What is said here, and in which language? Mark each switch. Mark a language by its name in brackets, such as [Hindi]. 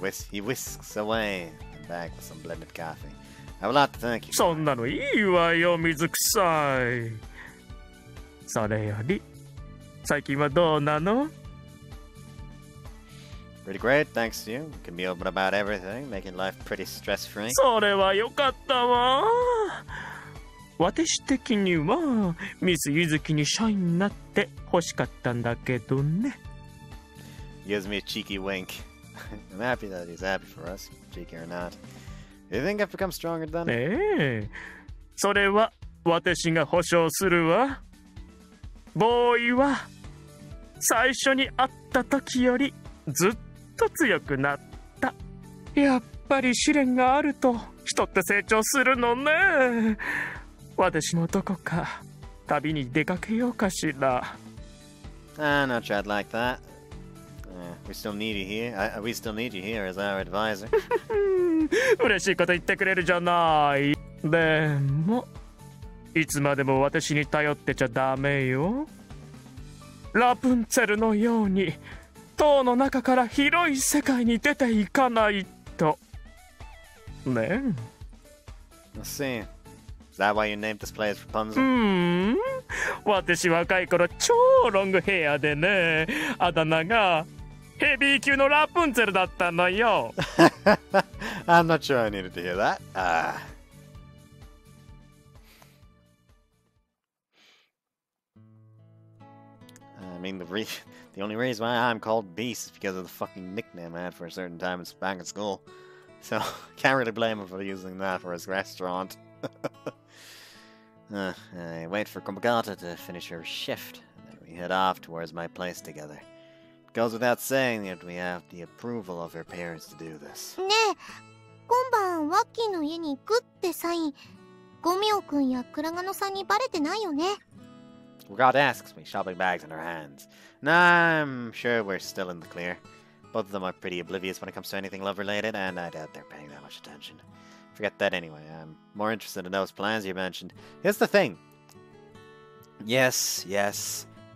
[English] He whisks away the bag with some blended coffee. I would like to thank you. [Japanese] そんなのいいわよ、水臭い。それより、最近はどうなの？ [English] Pretty great, thanks to you. We can be open about everything, making life pretty stress-free. [Japanese] それはよかったわ。私的にはミス・ユズキに社員になって欲しかったんだけどね。 [English] Gives me a cheeky wink. I'm happy that he's happy for us, cheeky or not. You think I've become stronger than him? [Japanese] それは私が保証するわ。ボーイは最初に会った時よりずっと強くなった。やっぱり試練があると人って成長するのね。私もどこか旅に出かけようかしら。 [English] Not sure I'd like that. We still need you here. We still need you here as our advisor. [Japanese] 嬉しいこと言ってくれるじゃない。でも、いつまでも私に頼ってちゃダメよ。ラプンツェルのように、塔の中から広い世界に出ていかないと。ね。 [English] Let's see.Is that why you named this place Rapunzel? Hmm. [Japanese] 私若い頃超ロングヘアでね、あだ名がヘビー級のラプンツェルだったのよ。 [English] I'm not sure I needed to hear that. I mean, the only reason why I'm called Beast is because of the fucking nickname I had for a certain time back in school. So, can't really blame him for using that for his restaurant. I wait for Kumbagata to finish her shift, and then we head off towards my place together. It goes without saying that we have the approval of her parents to do this. [Japanese] ねえ、今晩ワッキーの家に行くってサイン、ゴミオ君やクラガノさんにバレてないよね？ [English] God asks me, shopping bags in her hands. Nah, I'm sure we're still in the clear. Both of them are pretty oblivious when it comes to anything love-related, and I doubt they're paying that much attention. Forget that anyway. I'm more interested in those plans you mentioned. Here's the thing. Yes, yes.